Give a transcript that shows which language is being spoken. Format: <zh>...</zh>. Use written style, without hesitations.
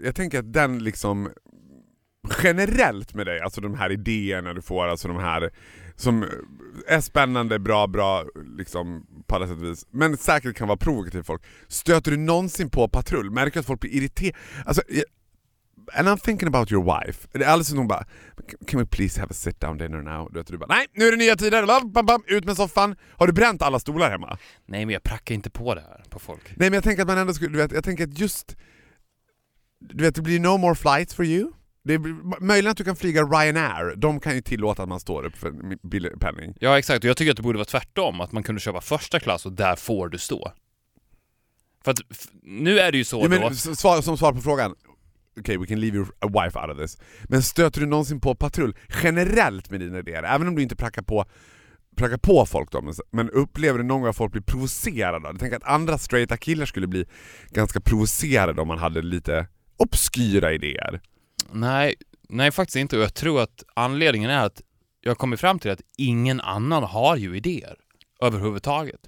<sv>Jag tänker att den liksom... generellt med dig, alltså de här idéerna du får, alltså de här som är spännande, bra liksom på alla sätt och vis, men säkert kan vara provokativ folk. Stöter du någonsin på patrull? Märker att folk blir irriterade? Alltså,</sv> <en>and I'm thinking about your wife. Alice,</en> <sv>hon bara,</sv> <en>can we please have a sit down dinner now?</en> <sv>Du vet, du bara, nej, nu är det nya tider. Ut med soffan. Har du bränt alla stolar hemma? Nej, men jag prackar inte på det här på folk. Nej, men jag tänker att man ändå skulle, du vet, jag tänker att just, du vet, det blir</sv> <en>no more flights for you.</en> <sv>Det är möjligt att du kan flyga Ryanair. De kan ju tillåta att man står upp för billig penning. Ja, exakt. Och jag tycker att det borde vara tvärtom. Att man kunde köpa första klass och där får du stå. För att nu är det ju så, ja, men, då. Som svar på frågan.</sv> <en>Okej, okay, we can leave your wife out of this.</en> <sv>Men stöter du någonsin på patrull generellt med dina idéer? Även om du inte prackar på folk då. Men upplever du någon gång att folk blir provocerade? Jag tänker att andra straighta killar skulle bli ganska provocerade om man hade lite obskyra idéer. Nej, nej, faktiskt inte. Och jag tror att anledningen är att jag kommer fram till att ingen annan har ju idéer överhuvudtaget.</sv>